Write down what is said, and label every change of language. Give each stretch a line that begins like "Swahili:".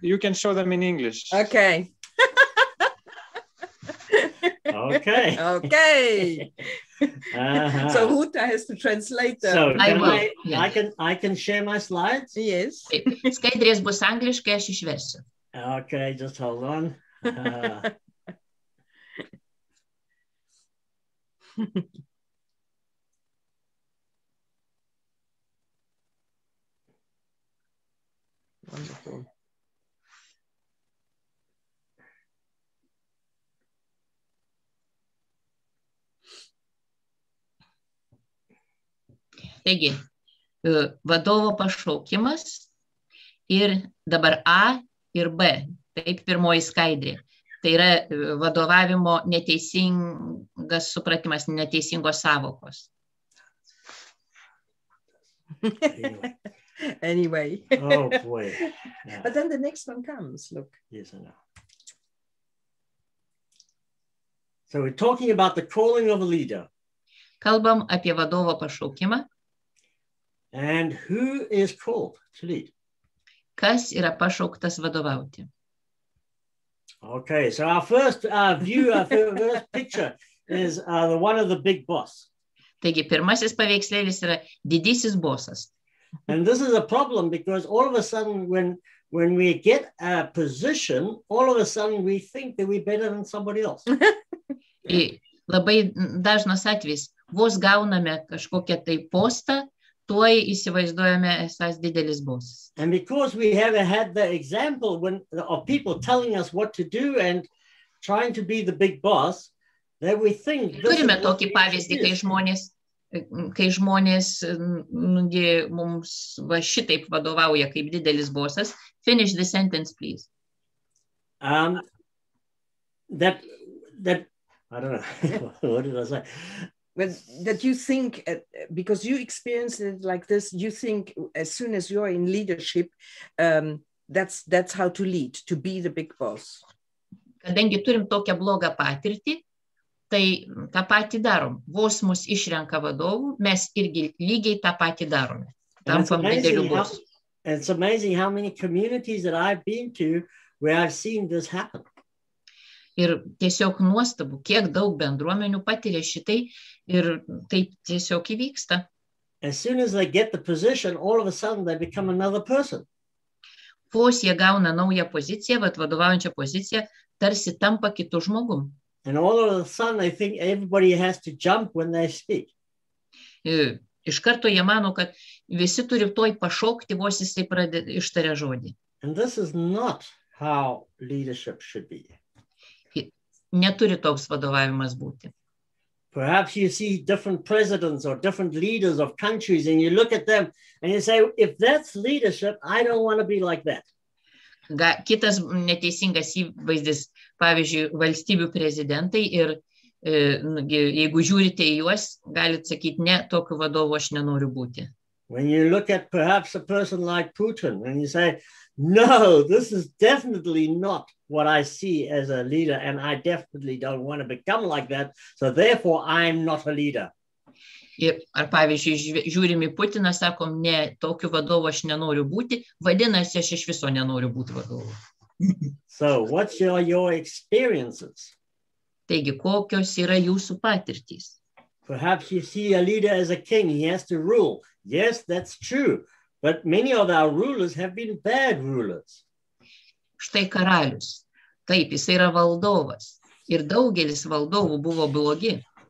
English: You can show them in English. Okay. Okay. Okay. Uh-huh. So Huta has to translate them. So I can share my slides? Yes.
Lithuanian: Skaidrės bus angliškai, aš išversiu.
English: Okay, just hold on. Wonderful.
Lithuanian: Taigi, vadovo pašaukimas ir dabar A ir B, taip pirmoji skaidrė. Tai yra vadovavimo neteisingas supratimas, neteisingos savokos.
English: Anyway. Oh, boy. Yeah. But then the next one comes, look. Yes, I know. So we're talking about the calling of a leader.
Lithuanian: Kalbam apie vadovo pašaukimą.
English: And who is called to lead?
Lithuanian: Kas yra pašauktas vadovauti?
English: Okay, so our first view, our first picture is the one of the big boss.
Lithuanian: Taigi, pirmasis paveikslėlis yra didysis bosas.
English: And this is a problem because all of a sudden when we get a position, all of a sudden we think that we're better than somebody else.
Lithuanian: Ir labai dažnas atvejis, vos gauname kažkokią tai postą, tuoj įsivaizduojame esas didelis bosas.
English: And because we have had the example when of people telling us what to do and trying to be the big boss, that we think
Lithuanian: this turime tokį pavyzdį, kai žmonės mums va šitaip vadovauja kaip didelis bosas.
English: Finish the sentence, please. That I don't know. What did I say? Well, that you think, because you experience it like this, you think as soon as you're in leadership, that's how to lead, to be the big boss.
Lithuanian: Kadangi turim tokią blogą patirtį, tai tą patį darom. Vos mus išrenka vadovų, mes irgi lygiai tą patį darome. Tampam didelių bosų.
English: And it's amazing how many communities that I've been to where I've seen this happen.
Lithuanian: Ir tiesiog nuostabu, kiek daug bendruomenių patiria šitai ir taip tiesiog įvyksta.
English: As soon as they get the position, all of a sudden they become another person.
Lithuanian: Vos jie gauna naują poziciją, vat vadovaujančią poziciją, tarsi tampa kitu žmogum.
English: And all of a sudden they think everybody has to jump when they speak.
Lithuanian: Iš karto jie mano, kad visi turi toj pašaukti, vos jisai ištaria žodį.
English: And this is not how leadership should be.
Lithuanian: Neturi toks vadovavimas būti.
English: Perhaps you see different presidents or different leaders of countries and you look at them and you say, if that's leadership, I don't want to be like that.
Lithuanian: Kitas neteisingas įvaizdis, pavyzdžiui, valstybių prezidentai ir jeigu žiūrite į juos, galit sakyti, ne, tokiu vadovu aš nenoriu būti.
English: When you look at perhaps a person like Putin and you say, no, this is definitely not what I see as a leader and I definitely don't want to become like that, so therefore I'm not a leader.
Lithuanian: Ir, ar pavyzdžiui, žiūrim į Putiną, sakom, ne, tokiu vadovu aš nenoriu būti, vadinasi, aš iš viso nenoriu būti vadovu.
English: So what's your experiences?
Lithuanian: Taigi, kokios yra jūsų patirtys?
English: Perhaps you see a leader as a king, he has to rule. Yes, that's true. But many of our rulers have been bad rulers.
Lithuanian: Štai karalius. Taip, jis yra valdovas. Ir daugelis valdovų buvo blogi.